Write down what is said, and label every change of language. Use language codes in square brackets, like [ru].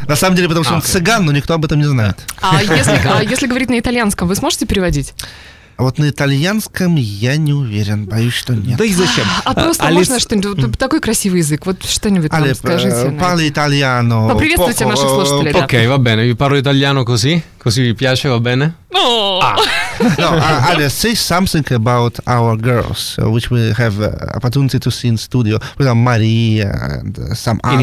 [ru] На самом деле, потому что он цыган, но никто об этом не знает. А если говорить на итальянском, вы сможете переводить? А вот на итальянском я не уверен, боюсь, что нет. Да и зачем? Можно что-нибудь, такой красивый язык, вот что-нибудь там скажите. [it] Parli italiano. [ru] Поприветствуйте наших слушателей. [it] Окей, va bene, vi parlo italiano così, così vi piace, va bene? [en] Ale, say something about our girls, which we have opportunity to see in studio, with Maria and some other.